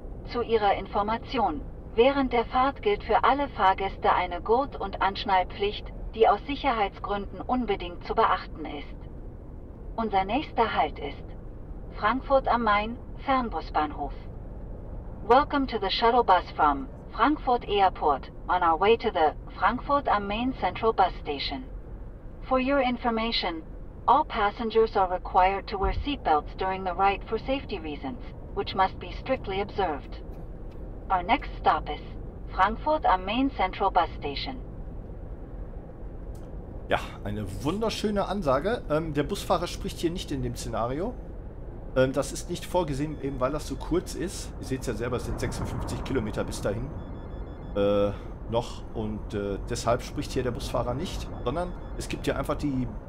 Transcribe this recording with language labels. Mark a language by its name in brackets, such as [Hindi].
[German] Zu Ihrer Information. Während der Fahrt gilt für alle Fahrgäste eine Gurt- und Anschnallpflicht, die aus Sicherheitsgründen unbedingt zu beachten ist. Unser nächster Halt ist Frankfurt am Main Fernbusbahnhof. [English] Welcome to the shuttle bus from Frankfurt Airport on our way to the Frankfurt am Main Central Bus Station. For your information, all passengers are required to wear seatbelts during the ride for safety reasons, which must be strictly observed. Our next stop is Frankfurt am Main Central Bus Station. [German] Ja, eine wunderschöne Ansage. Der Busfahrer spricht hier nicht in dem Szenario. Das ist nicht vorgesehen, eben weil das so kurz ist. Ihr seht es ja selber, es sind 56 Kilometer bis dahin. Noch. Und deshalb spricht hier der Busfahrer nicht. Sondern es gibt hier einfach die...